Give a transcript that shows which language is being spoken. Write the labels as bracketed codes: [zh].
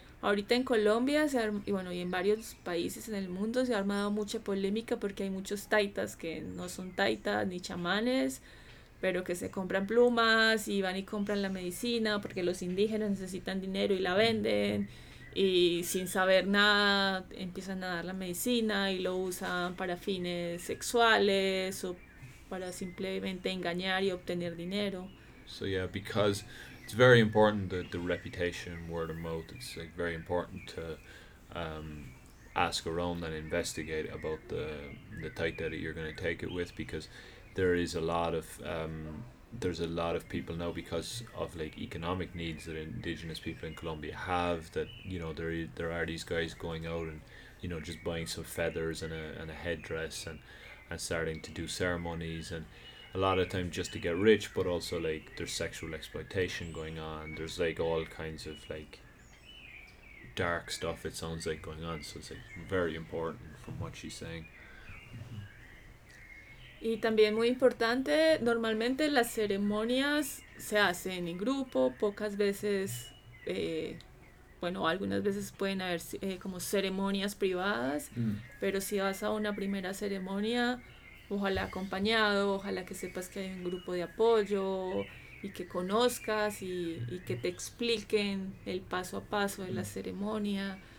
[es] Ahorita en Colombia y en varios países en el mundo se ha armado mucha polémica porque hay muchos taitas que no son taitas ni chamanes, pero que se compran plumas y van y compran la medicina porque los indígenas necesitan dinero y la venden, y sin saber nada empiezan a dar la medicina y lo usan para fines sexuales o para simplemente engañar y obtener dinero. [en] So yeah, because it's very important that the reputation, word of mouth, it's like very important to ask around and investigate about the taita that you're going to take it with, because there is a lot of there's a lot of people now, because of like economic needs that indigenous people in Colombia have, that, you know, there are these guys going out and, you know, just buying some feathers and a headdress and starting to do ceremonies, and a lot of time just to get rich, but also like there's sexual exploitation going on, there's like all kinds of like dark stuff, it sounds like, going on. So it's like very important from what she's saying. [es] Y también muy importante, normalmente las ceremonias se hacen en grupo, pocas veces, algunas veces pueden haber como ceremonias privadas, pero si vas a una primera ceremonia, ojalá acompañado, ojalá que sepas que hay un grupo de apoyo y que conozcas y que te expliquen el paso a paso de la ceremonia.